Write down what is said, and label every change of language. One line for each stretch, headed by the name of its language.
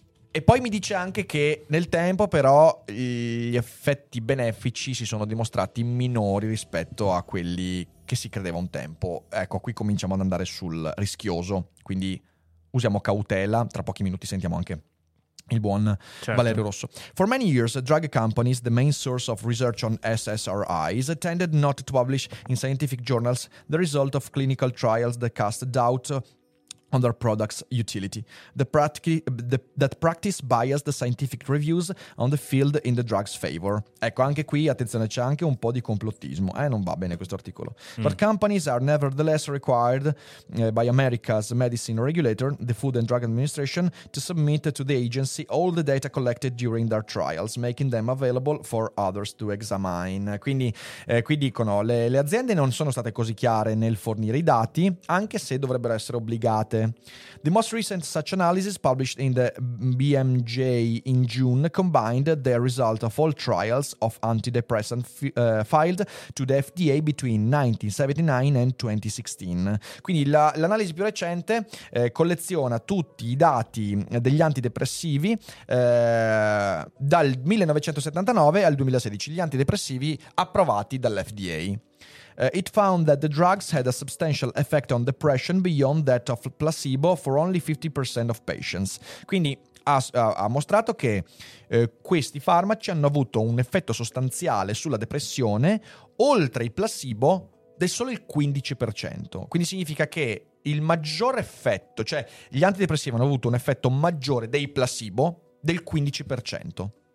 Italian: E poi mi dice anche che nel tempo però gli effetti benefici si sono dimostrati minori rispetto a quelli che si credeva un tempo. Ecco, qui cominciamo ad andare sul rischioso, quindi usiamo cautela. Tra pochi minuti sentiamo anche il buon certo. Valerio Rosso.
English: For many years, drug companies, the main source of research on SSRIs, tended not to publish in scientific journals the result of clinical trials that cast doubt on their product's utility. That practice biased the scientific reviews on the field in the drug's favor.
Italian: Ecco, anche qui, attenzione, c'è anche un po' di complottismo. Non va bene questo articolo. Mm.
English: But companies are nevertheless required by America's medicine regulator, the Food and Drug Administration, to submit to the agency all the data collected during their trials, making them available for others to examine.
Italian: Quindi qui dicono, le aziende non sono state così chiare nel fornire i dati, anche se dovrebbero essere obbligate.
English: The most recent such analysis published in the BMJ in June combined the result of all trials of antidepressant filed to the FDA between 1979 and 2016.
Italian: Quindi l'analisi più recente colleziona tutti i dati degli antidepressivi dal 1979 al 2016, gli antidepressivi approvati dall'FDA.
English: It found that the drugs had a substantial effect on depression beyond that of placebo for only 50% of patients.
Italian: Quindi ha mostrato che questi farmaci hanno avuto un effetto sostanziale sulla depressione oltre il placebo del solo il 15%. Quindi significa che il maggior effetto, cioè gli antidepressivi hanno avuto un effetto maggiore dei placebo del 15%.